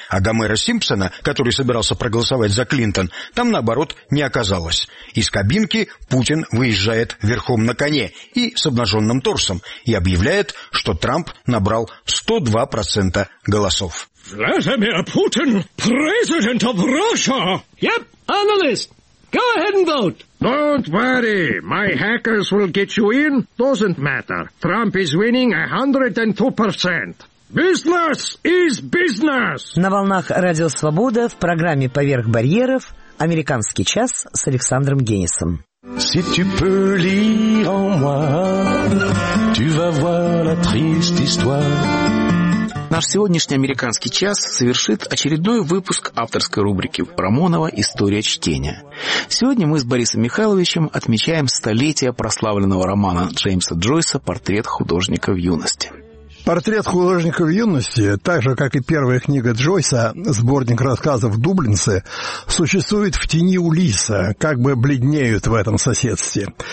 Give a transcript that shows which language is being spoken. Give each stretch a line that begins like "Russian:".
Russian: А Гомера Симпсона, который собирался проголосовать за Клинтон, там, наоборот, не оказалось. Из кабинки Путин выезжает верхом на коне и с обнаженным торсом и объявляет, что Трамп набрал 102% голосов. Владимир Путин, президент Russia!
English: Yep, analyst! Go ahead and vote! Don't worry, my hackers will get you in. Doesn't matter. Trump is winning 102%. Business is business!
Russian: На волнах Радио Свобода в программе «Поверх барьеров» «Американский час» с Александром Генисом.
French: Si tu peux lire en moi, tu vas voir la triste histoire.
Russian: Наш сегодняшний «Американский час» совершит очередной выпуск авторской рубрики Рамонова «История чтения». Сегодня мы с Борисом Михайловичем отмечаем столетие прославленного романа Джеймса Джойса «Портрет художника в юности». «Портрет художника в юности», так же, как и первая книга Джойса, сборник рассказов «Дублинцы», существует в тени Улисса, как бы бледнеют в этом соседстве.